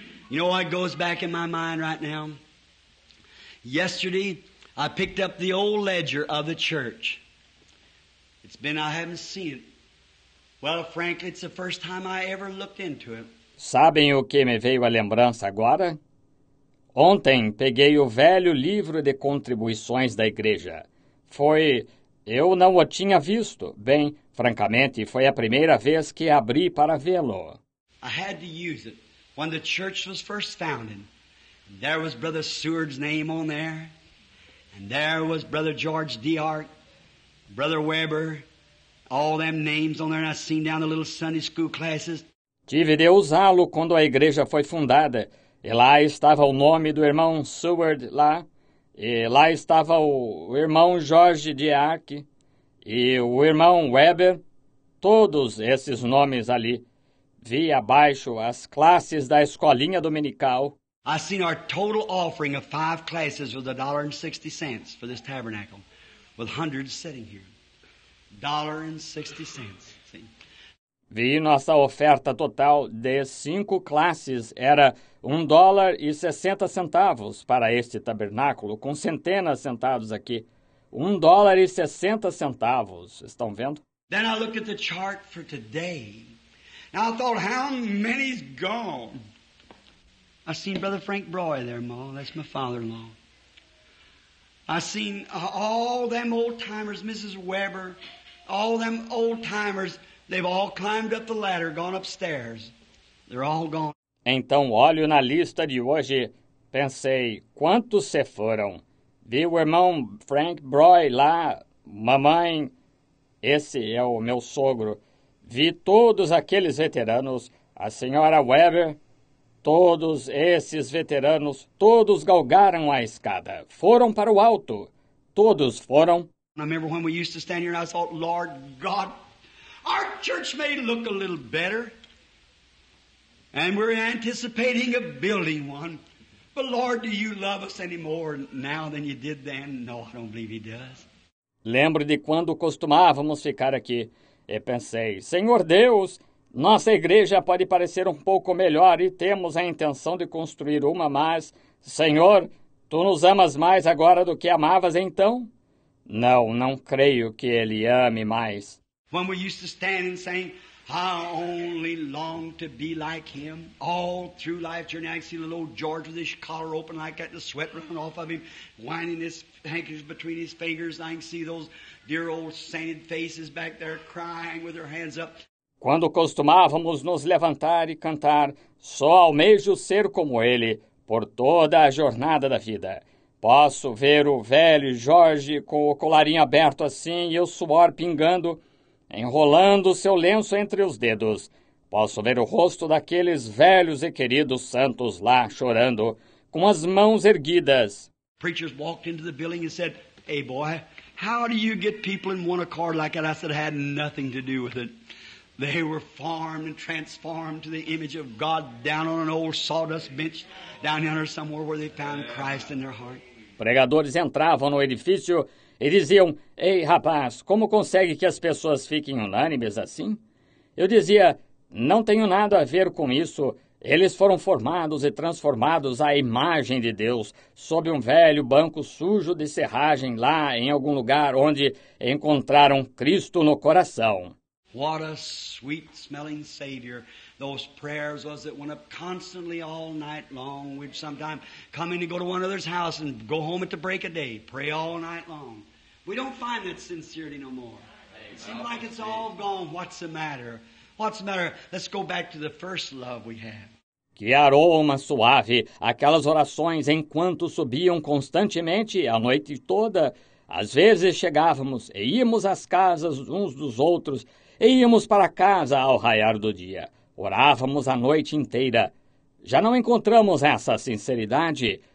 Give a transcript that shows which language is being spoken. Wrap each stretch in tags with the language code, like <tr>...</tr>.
<en>You know what goes back in my mind right now? Yesterday, I picked up the old ledger of the church. I haven't seen it. Well, frankly, it's the first time I ever looked into it.</en> <pt>Sabem o que me veio à lembrança agora? Ontem, peguei o velho livro de contribuições da igreja. Foi... Eu não o tinha visto. Bem, francamente, foi a primeira vez que abri para vê-lo.</pt> <en>I had to use it. When the church was first founded, there was Brother Seward's name on there, and there was Brother George Dehart, Brother Weber, all them names on there, and I seen down the little Sunday school classes.</en> <pt>Tive de usá-lo quando a igreja foi fundada, e lá estava o nome do irmão Seward lá. E lá estava o irmão Jorge Diak e o irmão Weber, todos esses nomes ali. Vi abaixo as classes da escolinha dominical.</pt> <en>I seen our total offering of 5 classes was $1.60 for this tabernacle, with hundreds sitting here. $1.60.</en> <pt>Vi nossa oferta total de 5 classes, era $1.60 para este tabernáculo, com centenas sentados aqui. $1.60, estão vendo?</pt> <en>Then I looked at the chart for today, and I thought, how many's gone? I seen Brother Frank Broy there, Ma, that's my father-in-law. I seen all them old-timers, Mrs. Weber, all them old-timers. They've all climbed up the ladder, gone upstairs. They're all gone.</en> <pt>Então, olho na lista de hoje, pensei, quantos se foram? Vi o irmão Frank Broy lá, mamãe, esse é o meu sogro. Vi todos aqueles veteranos, a senhora Weber, todos esses veteranos, todos galgaram a escada. Foram para o alto, todos foram.</pt> <en>I remember when we used to stand here and I thought, Lord God, our church may look a little better, and we're anticipating a building one. But Lord, do you love us any more now than you did then? No, I don't believe he does.</en> <pt>Lembro de quando costumávamos ficar aqui, e pensei, Senhor Deus, nossa igreja pode parecer um pouco melhor, e temos a intenção de construir uma, mas, Senhor, Tu nos amas mais agora do que amavas então? Não, não creio que Ele ame mais.</pt> <en>When we used to stand and sing, I only long to be like him all through life. Journey, I see little old George with his collar open like that, the sweat running off of him, winding his handkerchief between his fingers. I can see those dear old sainted faces back there crying with their hands up.</en> <pt>Quando costumávamos nos levantar e cantar, só almejo ser como ele por toda a jornada da vida. Posso ver o velho Jorge com o colarinho aberto assim e o suor pingando, enrolando seu lenço entre os dedos. Posso ver o rosto daqueles velhos e queridos santos lá chorando, com as mãos erguidas.</pt> <en>Preachers walked into the building and said, hey boy, how do you get people in one accord like that? I said, I had nothing to do with it. They were formed and transformed to the image of God down on an old sawdust bench down yonder somewhere where they found Christ in their heart.</en> <pt>Pregadores entravam no edifício e diziam, ei, rapaz, como consegue que as pessoas fiquem unânimes assim? Eu dizia, Não tenho nada a ver com isso. Eles foram formados e transformados à imagem de Deus sob um velho banco sujo de serragem lá em algum lugar onde encontraram Cristo no coração.</pt> <en>What a sweet-smelling Savior! Those prayers was that went up constantly all night long. We'd sometimes come in and go to one another's house and go home at the break of day, pray all night long. We don't find that sincerity no more. It seems like it's all gone. What's the matter? What's the matter? Let's go back to the first love we have.</en> <pt>Que aroma suave! Aquelas orações enquanto subiam constantemente a noite toda. Às vezes chegávamos e íamos às casas uns dos outros e íamos para casa ao raiar do dia. Orávamos a noite inteira. Já não encontramos essa sinceridade.</pt>